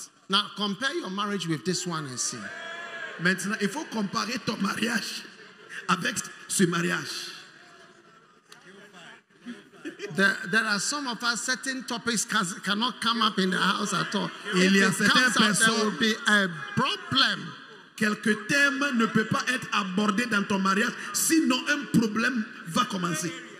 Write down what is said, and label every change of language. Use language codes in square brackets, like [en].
[en] Now, compare your marriage with this one and see. [fr] Maintenant, il faut comparer ton mariage avec ce mariage. [en] There are some of us, certain topics cannot come up in the house at all. [fr] Il y a certaines personnes, [en] there will be a problem. [fr] Quelques thèmes ne peuvent pas être abordés dans ton mariage, sinon un problème va commencer.